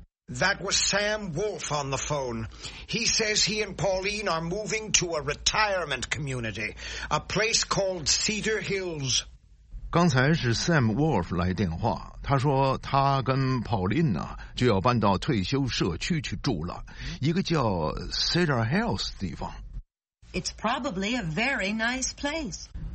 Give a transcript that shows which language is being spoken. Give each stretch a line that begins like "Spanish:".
English: That was Sam Wolfe on the phone. He says he and Pauline are moving to a retirement community, a place called Cedar Hills.
Chinese: 刚才是Sam Wolfe来电话, 他说他跟Pauline就要搬到退休社区去住了, 一个叫Cedar Hills地方。
English: It's probably a very nice place.